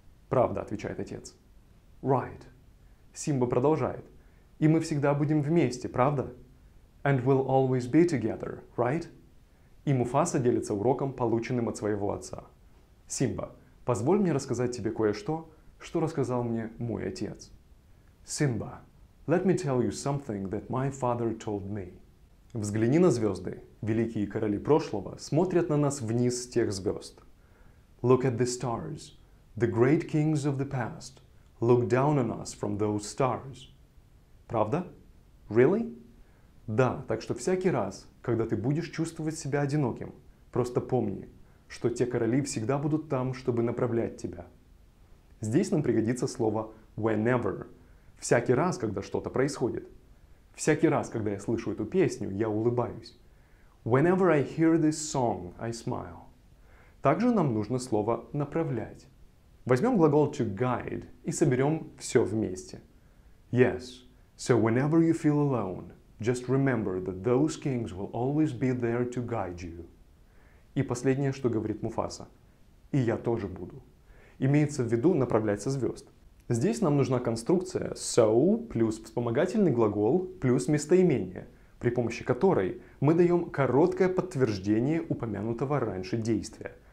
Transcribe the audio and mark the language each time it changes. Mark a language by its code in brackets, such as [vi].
[ru] Правда, отвечает отец. Right. Симба продолжает. И мы всегда будем вместе, правда? [en] And we'll always be together, right? [ru] И Муфаса делится уроком, полученным от своего отца. Симба, позволь мне рассказать тебе кое-что, что рассказал мне мой отец. [en] Simba, let me tell you something that my father told me. [ru] Взгляни на звезды. Великие короли прошлого смотрят на нас вниз с тех звезд. [en] Look at the stars. The great kings of the past look down on us from those stars. [ru] Правда? Really? Да, так что всякий раз, когда ты будешь чувствовать себя одиноким, просто помни, что те короли всегда будут там, чтобы направлять тебя. Здесь нам пригодится слово whenever. Всякий раз, когда что-то происходит. Всякий раз, когда я слышу эту песню, я улыбаюсь. [en] Whenever I hear this song, I smile. [ru] Также нам нужно слово направлять. Возьмем глагол to guide и соберем все вместе. [en] Yes, so whenever you feel alone, just remember that those kings will always be there to guide you. [ru] И последнее, что говорит Муфаса. И я тоже буду. Имеется в виду направлять со звезд. Здесь нам нужна конструкция so плюс вспомогательный глагол плюс местоимение, при помощи которой мы даем короткое подтверждение упомянутого раньше действия.